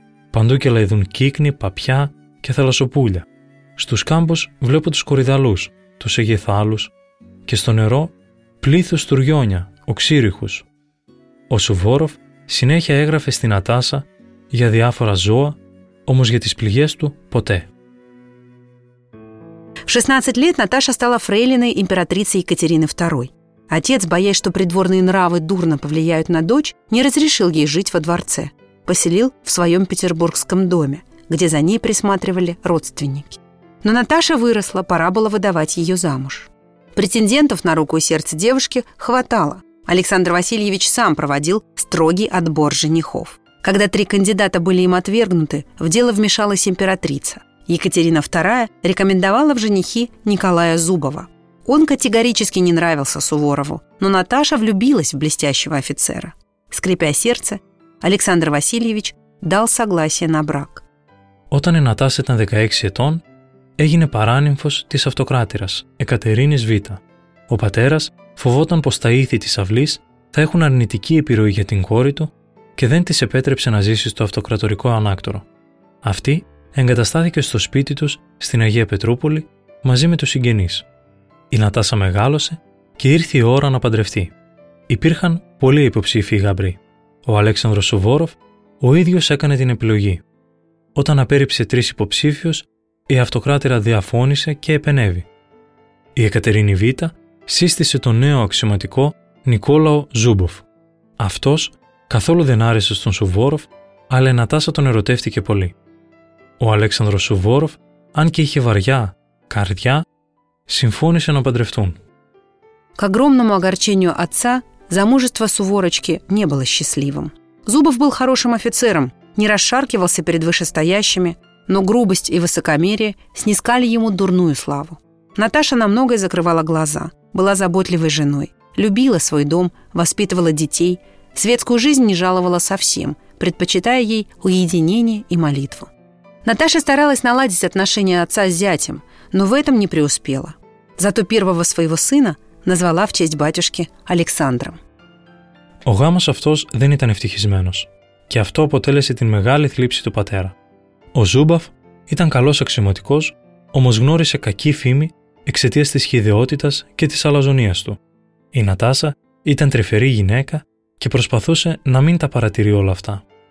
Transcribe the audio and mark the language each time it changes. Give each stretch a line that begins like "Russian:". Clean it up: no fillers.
Greek: Παντού και λαϊδούν κύκνη, παπιά και θαλασσοπούλια. Στους κάμπους βλέπω τους κοριδαλούς, τους αιγεθάλους, και στο νερό πλήθος τουριώνια, οξύριχους». Ο Σουβόροφ συνέχεια έγραφε στην Νατάσα για διάφορα ζώα, όμως για τις πληγές του ποτέ.
Russian: В 16 лет Наташа стала фрейлиной императрицы Екатерины II. Отец, боясь, что придворные нравы дурно повлияют на дочь, не разрешил ей жить во дворце. Поселил в своем петербургском доме, где за ней присматривали родственники. Но Наташа выросла, пора было выдавать ее замуж. Претендентов на руку и сердце девушки хватало. Александр Васильевич сам проводил строгий отбор женихов. Когда три кандидата были им отвергнуты, в дело вмешалась императрица. Екатерина II рекомендовала в женихи Николая Зубова. Он категорически не нравился Суворову, но Наташа влюбилась в блестящего офицера. Скрепя сердце, Александр Васильевич дал согласие на брак.
Greek: Όταν η Νατάσα ήταν 16 ετών, έγινε παράνυμφος της αυτοκράτηρας, Εκατερίνης Β. Ο πατέρας φοβόταν πως τα ήθη της αυλής θα έχουν αρνητική επιρροή για την κόρη του και δεν της επέτρεψε να ζήσει στο αυτοκρατορικό ανάκτορο. Αυτή εγκαταστάθηκε στο σπίτι τους στην Αγία Πετρούπολη μαζί με τους συγγενείς. Η Νατάσα μεγάλωσε και ήρθε η ώρα να παντρευτεί. Υπήρχαν πολλοί υποψήφοι γαμπροί. Ο Αλέξανδρος Σουβόροφ ο ίδιος έκανε την επιλογή. Όταν απέρριψε τρεις υποψήφιους, η αυτοκράτηρα διαφώνησε και επενέβη. Η Εκατερίνη Β' σύστησε τον νέο αξιωματικό Νικόλαο Ζούμποφ. Αυτός καθόλου δεν άρεσε στον Σουβόροφ, αλλά η Νατάσα τον ερωτεύτηκε πολύ. Ο Αλέξανδρος Σουβόροφ, αν και είχε βαριά καρδιά, συμφώνησε να παντρευτούν.
Russian: К огромному огорчению отца, замужество Суворочки не было счастливым. Зубов был хорошим офицером, не расшаркивался перед вышестоящими, но грубость и высокомерие снискали ему дурную славу. Наташа на многое закрывала глаза, была заботливой женой, любила свой дом, воспитывала детей, светскую жизнь не жаловала совсем, предпочитая ей уединение и молитву. Наташа старалась наладить отношения отца с зятем, но в этом не преуспела. Зато первого своего сына назвала в честь батюшки Александром.
Greek: Ο γάμος αυτός δεν ήταν ευτυχισμένος και αυτό αποτέλεσε την μεγάλη θλίψη του πατέρα. Ο Ζούμπαφ ήταν καλός αξιωματικός, όμως γνώρισε κακή φήμη εξαιτίας της χειδαιότητας και της αλαζονίας του. Η Νατάσα ήταν τρυφερή γυναίκα και προσπαθούσε να μην τα παρατηρεί όλα αυτά.